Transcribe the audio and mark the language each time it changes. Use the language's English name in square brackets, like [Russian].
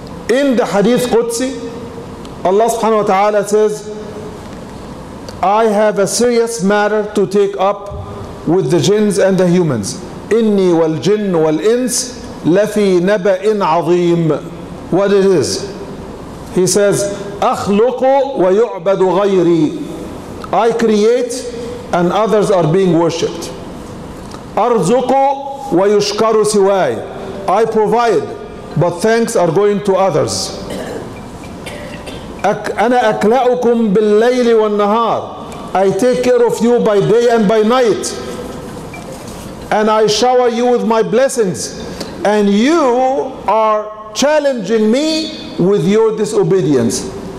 [English] In the Hadith Qudsi, Allah subhanahu wa ta'ala says, I have a serious matter to take up with the jinns and the humans. [Arabic] Inni wal jinn wal ins lafi naba'in azim. [English] What it is? He says, [Arabic] akhluqu wa yu'badu ghayri. [English] I create and others are being worshipped. [Arabic] Arzuqu وَيُشْكَرُ سِوَاي. [English] I provide, but thanks are going to others. [Arabic] أَنَا أَكْلَأُكُمْ بِاللَّيْلِ وَالنَّهَارِ. [English] I take care of you by day and by night. And I shower you with my blessings. And you are challenging me with your disobedience.